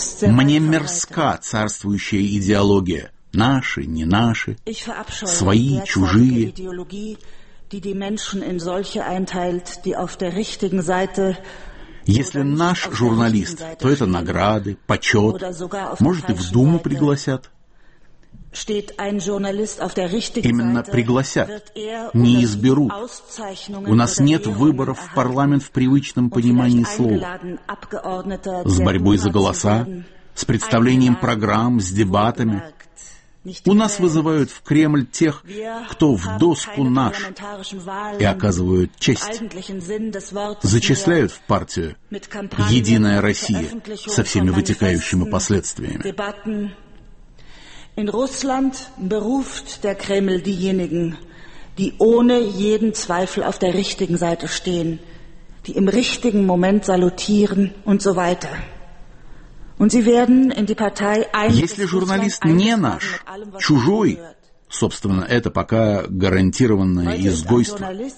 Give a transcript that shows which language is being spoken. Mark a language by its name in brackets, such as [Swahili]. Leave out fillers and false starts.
[Russian] Мне мерзка царствующая идеология. Наши, не наши, свои, чужие. [German] Die die Menschen in solche einteilt, die auf der richtigen Seite. [Russian] Если наш журналист, то это награды, почет, может и в Думу пригласят. [German] Steht ein Journalist auf der richtigen Seite. [Russian] Именно пригласят, не изберут. У нас нет выборов в парламент в привычном понимании слова. С борьбой за голоса, с представлением программ, с дебатами. У нас вызывают в Кремль тех, кто в доску наш, и оказывают честь. Зачисляют в партию «Единая Россия» со всеми вытекающими последствиями. [German] In Russland beruft der Kreml diejenigen, die ohne jeden Zweifel auf der richtigen Seite stehen, die im richtigen Moment salutieren und so weiter. [Russian] Если журналист не наш, чужой, собственно, это пока гарантированное изгойство.